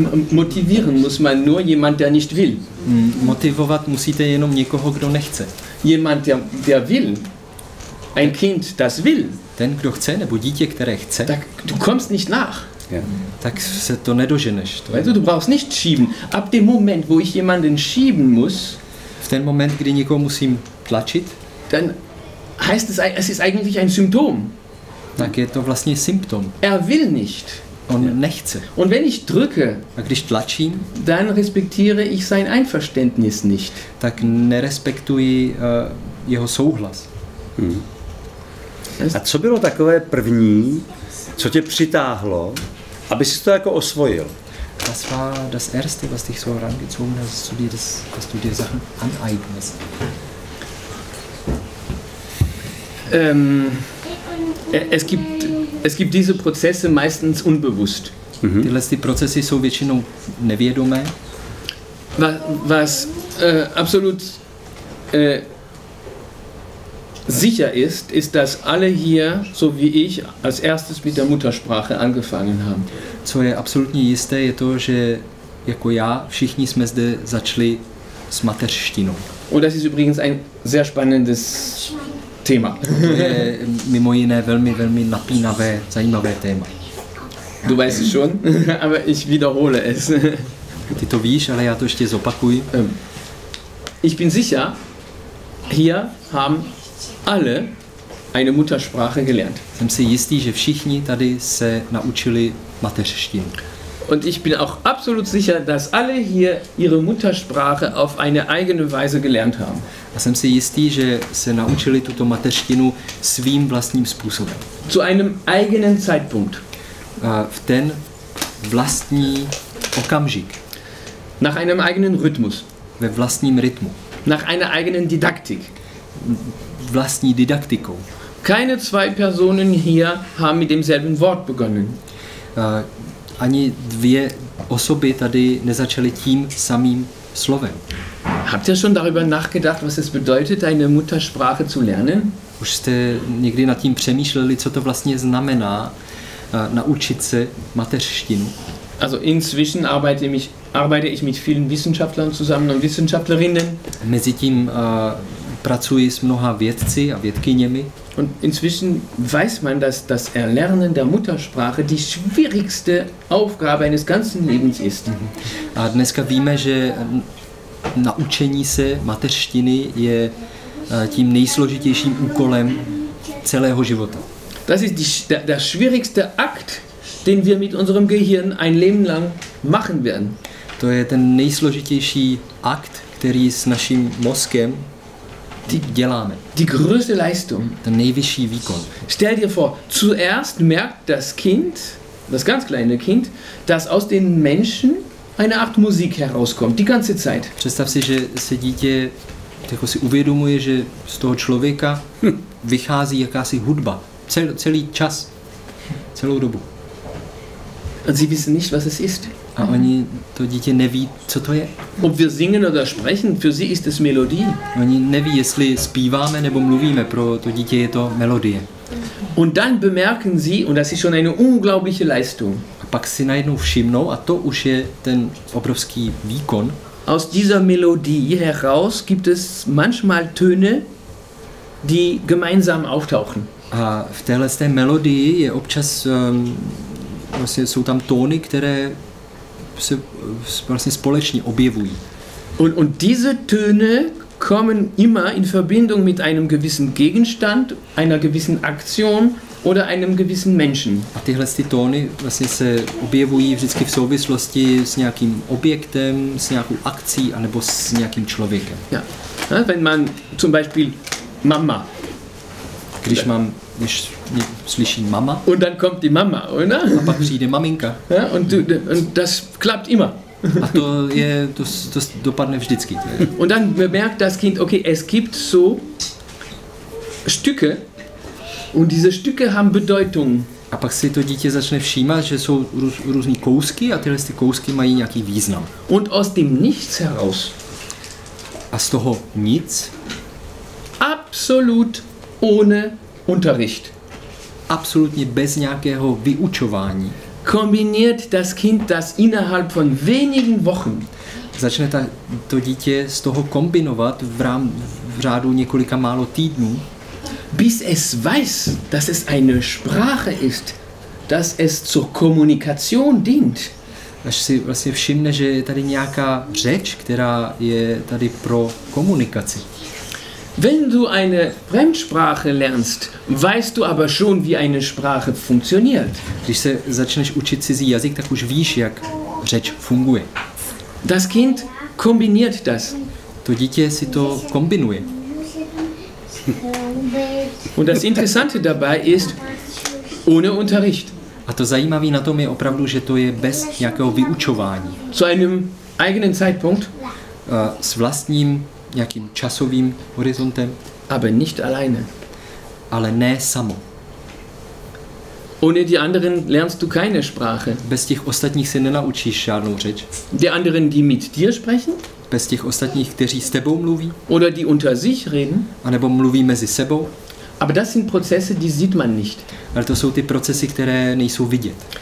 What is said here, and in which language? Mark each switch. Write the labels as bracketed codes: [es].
[de] Motivieren muss man nur jemand, der nicht will. [cs] Motivovat musíte jenom někoho, kdo nechce. [de] Jemand, der will. Ein Kind, das will. [cs] Ten, kdo chce, nebo dítě, které chce. Tak [de] du kommst nicht nach. Ja. [cs] Tak se to nedoženeš. To [de] weißt du brauchst nicht schieben. Ab dem Moment, wo ich jemanden schieben muss, [cs] v ten moment, kdy někoho musím tlačit, [de] dann heißt es ist eigentlich ein Symptom. [cs] Tak je to vlastně symptom. [de] Er will nicht. [cs] On nechce. [de] Und wenn ich drücke, [cs] a když tlačím, [de] dann respektiere ich sein Einverständnis nicht. [cs] Tak nerespektuji jeho souhlas. A co bylo takové první, co tě přitáhlo, aby si to jako osvojil? [de] Was war das erste, was dich so rangezogen hat, dass du dir Sachen aneignest? Es gibt diese Prozesse meistens unbewusst. Mhm. [cs] Tyhle ty procesy jsou většinou nevědomé. [de] Was absolut sicher ist, dass alle hier, so wie ich, als erstes mit der Muttersprache angefangen haben. [cs] Co je absolutně jisté, je to, že jako já, všichni jsme zde začali s mateřštinou. [de] Und das ist übrigens ein sehr spannendes Thema. [cs] To je mimo jiné velmi, velmi napínavé, zajímavé téma. [de] Du weißt es schon, aber ich wiederhole es. [cs] Ty to víš, ale já to ještě zopakuji. [de] Ich bin sicher, hier haben alle eine Muttersprache gelernt. [cs] Jsem si jistý, že všichni tady se naučili mateřštinu. [de] Und ich bin auch absolut sicher, dass alle hier ihre Muttersprache auf eine eigene Weise gelernt haben. [cs] A jsem si jistý, že se naučili tuto mateřštinu svým vlastním způsobem. [de] Zu einem eigenen Zeitpunkt. [cs] V ten vlastní okamžik. [de] Nach einem eigenen Rhythmus. [cs] Ve vlastním rytmu. [de] Nach einer eigenen Didaktik. [cs] Vlastní didaktikou. [de] Keine zwei Personen hier haben mit demselben Wort begonnen. [cs] Ani dvě osoby tady nezačaly tím samým slovem. [de] Habt ihr schon darüber nachgedacht, was es bedeutet, eine Muttersprache zu lernen? [cs] Už jste někdy nad tím přemýšleli, co to vlastně znamená naučit se mateřštinu? [de] Also inzwischen arbeite ich mit vielen Wissenschaftlern zusammen und Wissenschaftlerinnen. [cs] Mezitím pracuji s mnoha vědci a vědkyněmi. [de] Und inzwischen weiß man, dass das Erlernen der Muttersprache die schwierigste Aufgabe eines ganzen Lebens ist. [cs] A dneska víme, že naučení se mateřštiny je tím nejsložitějším úkolem celého života. [de] Das ist der schwierigste Akt, den wir mit unserem Gehirn ein Leben lang machen werden. [cs] To je ten nejsložitější akt, který s naším mozkem děláme. [de] Die größte Leistung. [cs] Ten nejvyšší výkon. [de] Stell dir vor, zuerst merkt das Kind, das ganz kleine Kind, dass aus den Menschen eine Art Musik herauskommt, die ganze Zeit. [cs] Představ si, že se dítě jako si uvědomuje, že z toho člověka vychází jakási hudba. Celý čas, celou dobu. [de] Und sie wissen nicht, was es ist. [cs] A oni, to dítě neví, co to je. [de] Ob wir singen oder sprechen, für sie ist es Melodie. [cs] Oni neví, jestli zpíváme nebo mluvíme, pro to dítě je to melodie. [de] Und dann bemerken sie, und das ist schon eine unglaubliche Leistung. [cs] A pak si najednou všimnou, a to už je ten obrovský výkon. [de] Aus dieser Melodie heraus gibt es manchmal Töne, die gemeinsam auftauchen. [cs] A v téhle té melodii je občas vlastně jsou tam tóny, které se vlastně společně objevují. [de] Und diese Töne kommen immer in Verbindung mit einem gewissen Gegenstand, einer gewissen Aktion oder einem gewissen Menschen. [cs] A tyhle ty tóny vlastně se objevují vždycky v souvislosti s nějakým objektem, s nějakou akcí anebo s nějakým člověkem. [de] Ja. Ja, wenn man zum Beispiel Mama. [cs] Když mám [de] Ich [cs] slyší mama. [de] Und dann kommt die Mama, oder? [cs] A pak přijde maminka. [de] Ja, und das klappt immer. [cs] A to dopadne vždycky. [de] Und dann bemerkt das Kind, okay, es gibt so Stücke und diese Stücke haben Bedeutung. [cs] A pak si to dítě začne všímat, že jsou různý kousky a tyhle ty kousky mají nějaký význam. [de] Und aus dem Nichts heraus. [cs] A z toho nic. [de] Absolut ohne Unterricht. [cs] Absolutně bez nějakého vyučování. [de] Kombiniert das Kind das innerhalb von wenigen Wochen. [cs] Začne to dítě z toho kombinovat v řádu několika málo týdnů. [de] Bis es weiß, dass es eine Sprache ist, dass es zur Kommunikation dient. [cs] Až si vlastně všimne, že je tady nějaká řeč, která je tady pro komunikaci. [de] Wenn du eine Fremdsprache lernst, weißt du aber schon, wie eine Sprache funktioniert. [cs] Když se začneš učit cizí jazyk, tak už víš, jak řeč funguje. [de] Das Kind kombiniert das. [cs] To dítě si to kombinuje. [de] Und das Interessante dabei ist, ohne Unterricht. [cs] A to zajímavé na tom je opravdu, že to je bez nějakého vyučování. [de] Zu einem eigenen Zeitpunkt. [cs] S vlastním nějakým časovým horizontem. [de] Aber nicht alleine. [cs] Ale ne samo. [de] Ohne die anderen lernst du keine Sprache. [cs] Bez těch ostatních se nenaučíš žádnou řeč. [de] Die anderen, die mit dir sprechen. [cs] Bez těch ostatních, kteří s tebou mluví. [de] Oder die unter sich reden. [cs] A nebo mluví mezi sebou. [de] Aber das sind Prozesse, die sieht man nicht. [cs] Ale to jsou ty procesy, které nejsou vidět.